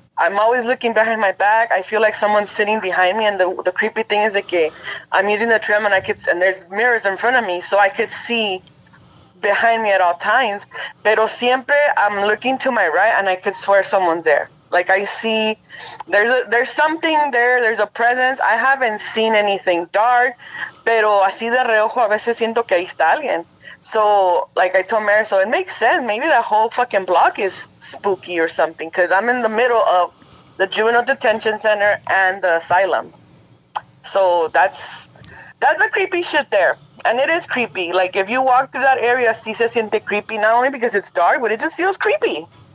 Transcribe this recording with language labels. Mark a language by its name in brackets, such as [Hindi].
[English] I'm always looking behind my back. I feel like someone's sitting behind me. And the creepy thing is that I'm using the trim and I could, and there's mirrors in front of me, so I could see behind me at all times. [Spanish] Pero siempre [English] I'm looking to my right and I could swear someone's there. Like I see there's something there. There's a presence. I haven't seen anything dark, [Spanish] pero así de reojo a veces siento que ahí está alguien. [English] So like I told Mary, so it makes sense. Maybe that whole fucking block is spooky or something, because I'm in the middle of the juvenile detention center and the asylum. So that's a creepy shit there. And it is creepy. Like if you walk through that area, [Spanish] sí se siente [English] creepy, not only because it's dark, but it just feels creepy.